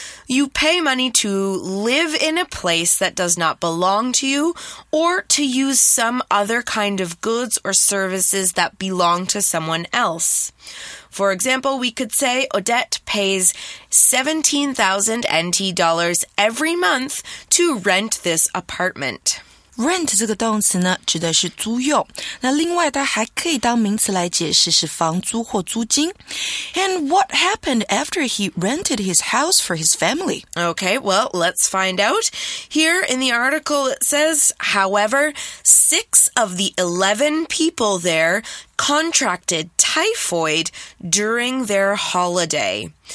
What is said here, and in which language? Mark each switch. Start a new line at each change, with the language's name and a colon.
English: You pay money to live in a place that does not belong to you or to use some other kind of goods or services that belong to someone else. For example, we could say Odette pays 17,000 NT dollars every month to rent this apartment.
Chinese: Rent 这个动词呢指的是租用，那另外它还可以当名词来解释是房租或租金。
English: And what happened after he rented his house for his family? Okay, well, let's find out. Here in the article it says, however, 6 of the 11 people there contracted typhoid during their holiday.